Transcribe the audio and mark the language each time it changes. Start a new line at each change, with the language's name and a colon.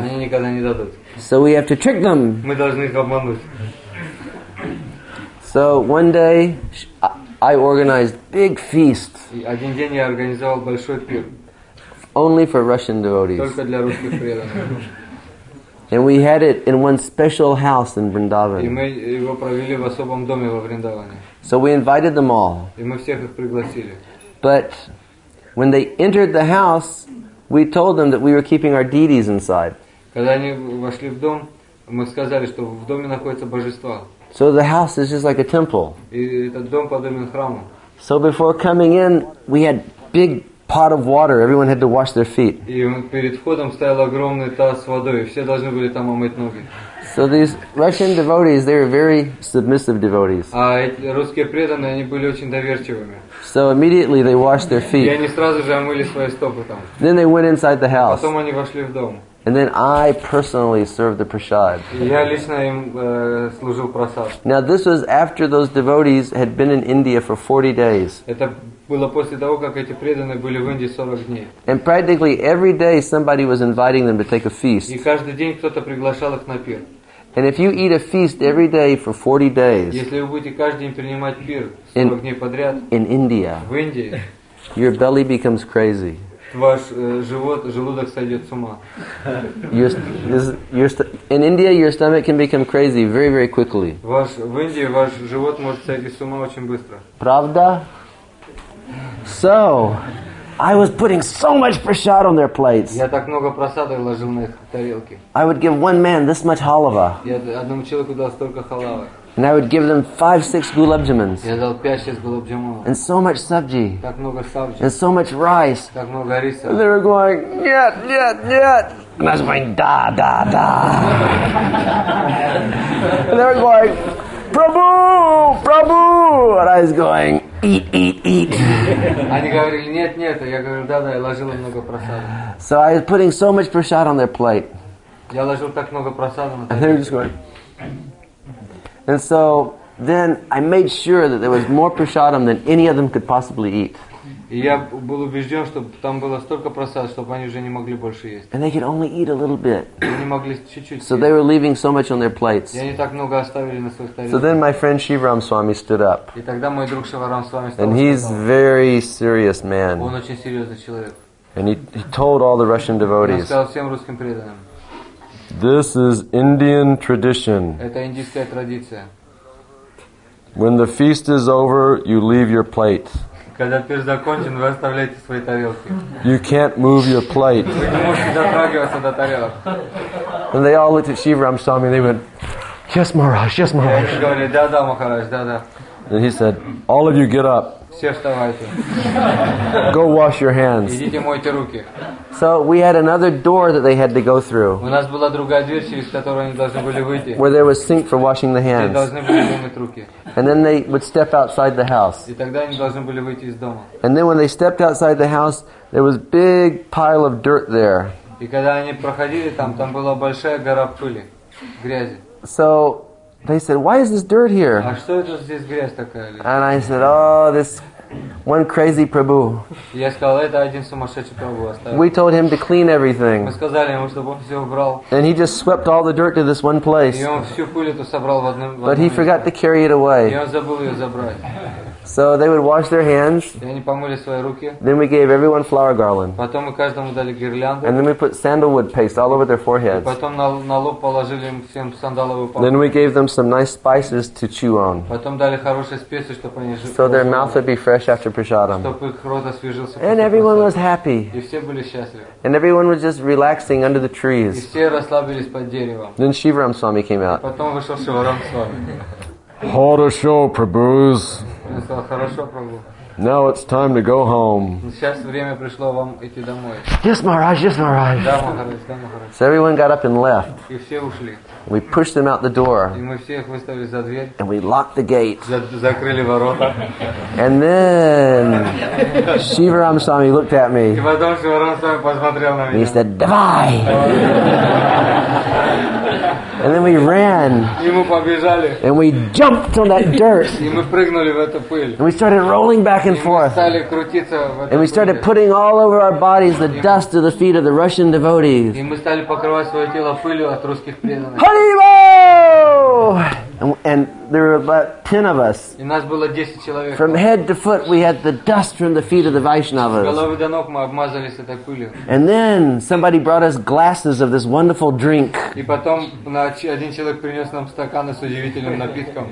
Russian: Они никогда не дадут.
English: So we have to trick them.
Russian: Мы должны их обмануть.
English: So one day, I organized big feast.
Russian: Один день я организовал большой пир.
English: Only for Russian devotees.
Russian: Только для русских преданных.
English: And we had it in one special house in Vrindavan.
Russian: И мы его провели в особом доме во Вриндаване.
English: So we invited them all.
Russian: И мы всех их пригласили.
English: But when they entered the house, we told them that we were keeping our deities inside.
Russian: Когда они вошли в дом, мы сказали, что в доме находятся божества.
English: So the house is just like a temple.
Russian: И этот дом подобен храму.
English: So before coming in, we had big pot of water. Everyone had to wash their feet.
Russian: И перед входом стоял огромный таз с водой. Все должны были там омыть ноги.
English: So these Russian devotees, they were very submissive devotees.
Russian: А русские преданные, они были очень доверчивыми.
English: So immediately they washed their feet.
Russian: И они сразу же омыли свои стопы там.
English: Then they went inside the house.
Russian: Потом они вошли в дом.
English: And then I personally served the prasad.
Russian: Я лично им служил прасад.
English: Now this was after those devotees had been in India for 40 days.
Russian: Это было после того, как эти преданные были в Индии 40 дней.
English: And practically every day somebody was inviting them to take a feast.
Russian: И каждый день кто-то приглашал их на пир.
English: And if you eat a feast every day for 40 days.
Russian: Если вы будете каждый день принимать пир 40 дней подряд.
English: In India.
Russian: В Индии.
English: Your belly becomes crazy.
Russian: Ваш живот, желудок сойдет с ума.
English: In India, your stomach can become crazy very, very quickly.
Russian: В Индии ваш живот может сойти с ума очень быстро. Правда?
English: So, I was putting so much prasad on their plates.
Russian: Я так много прасада ложил на их тарелки.
English: I would give one man this much халава.
Russian: Я одному человеку дал столько халавы.
English: And I would give them 5-6 gulab jamuns.
Russian: Я дал 5-6 gulab jamuns.
English: And so much sabji.
Russian: Так много сабжи.
English: And so much rice.
Russian: Так много риса.
English: And they were going,
Russian: нет, нет, нет.
English: And I was going,
Russian: да, да, да.
English: And they were going, Prabhu, Prabhu. And I was going, eat, eat, eat.
Russian: Они говорили, нет, нет. Я говорю, да, да, я ложил много прасада.
English: So I was putting so much prasad on their plate.
Russian: Я ложил так много прасада.
English: And they were just going, and so then I made sure that there was more prasadam than any of them could possibly eat.
Russian: Я был убежден, что там было столько прасад, чтобы они уже не могли больше есть.
English: And they could only eat a little bit.
Russian: Они могли чуть-чуть.
English: So they were leaving so much on their plates.
Russian: И они так много оставили на своих тарелках.
English: So then my friend Shivaram Swami стood up.
Russian: И тогда мой друг Шиварам Свами стал.
English: And he's very serious man.
Russian: Он очень серьезный человек.
English: And he told all the Russian devotees.
Russian: Он сказал всем русским преданным.
English: This is Indian tradition.
Russian: Это индийская традиция.
English: When the feast is over, you leave your plate.
Russian: Когда пир закончен, вы оставляете свои тарелки.
English: You can't move your plate.
Russian: Вы не можете дотрагиваться до тарелок.
English: And they all looked at Shivaram Swami and they went, "Yes, Maharaj, yes, Maharaj."
Russian: Они говорили, да, да, Махарадж, да, да.
English: And he said, "All of you, get up."
Russian: Все вставайте.
English: Go wash your hands.
Russian: Идите мойте руки.
English: So we had another door that they had to go through.
Russian: У нас была другая дверь, через которую они должны были выйти.
English: Where there was sink for washing the hands.
Russian: Где должны были мыть руки.
English: And then they would step outside the house.
Russian: И тогда они должны были выйти из дома.
English: And then when they stepped outside the house, there was big pile of dirt there.
Russian: И когда они проходили там, там была большая гора пыли, грязи.
English: So they said, "Why is this dirt here?"
Russian: А что это здесь грязь такая?
English: And I said, "Oh, this one crazy Prabhu."
Russian: Я сказал, это один сумасшедший Прабху оставил.
English: We told him to clean everything.
Russian: Мы сказали ему, чтобы он все убрал.
English: And he just swept all the dirt to this one place.
Russian: И он всю пыль эту собрал в одном месте.
English: But he forgot to carry it away.
Russian: И он забыл ее забрать.
English: So they would wash their hands.
Russian: И они помыли свои руки.
English: Then we gave everyone flower garland.
Russian: Потом мы каждому дали гирлянду.
English: And then we put sandalwood paste all over their foreheads.
Russian: И потом на лоб положили им всем сандаловую помаду.
English: Then we gave them some nice spices to chew on.
Russian: Потом дали хорошие специи, чтобы они жевали.
English: So their mouth would be fresh after prasadam.
Russian: Чтобы их рот освежился.
English: And everyone was happy.
Russian: И все были счастливы.
English: And everyone was just relaxing under the trees.
Russian: И все расслабились под деревом.
English: Then Shivaram Swami came out.
Russian: Потом вышел Шиварам Свами. Хорошо, Прабхус. Хорошо, Прабху.
English: Now it's time to go home.
Russian: Сейчас время пришло вам идти домой.
English: Yes, Maharaj, yes, Maharaj.
Russian: Да, Махарадж, да, Махарадж.
English: So everyone got up and left.
Russian: И все ушли.
English: We pushed them out the door.
Russian: И мы всех выставили за дверь.
English: And we locked the gate.
Russian: Закрыли ворота.
English: And then Shivaram Swami looked at me.
Russian: И потом Shivaram Swami посмотрел на меня.
English: He said,
Russian: "Давай!"
English: And then we ran.
Russian: И мы побежали.
English: And we jumped on that dirt.
Russian: И мы прыгнули в эту пыль.
English: And we started rolling back and forth.
Russian: И мы стали крутиться в этой.
English: And we started putting all over our bodies the dust of the feet of the Russian devotees.
Russian: И мы стали покрывать свое тело пылью от русских преданных.
English: Hari Bol! And And there were about 10 of us.
Russian: И нас было 10 человек.
English: From head to foot, we had the dust from the feet of the Vaishnavas.
Russian: С головы до ног мы обмазались этой пылью.
English: And then somebody brought us glasses of this wonderful drink.
Russian: И потом один человек принес нам стаканы с удивительным напитком.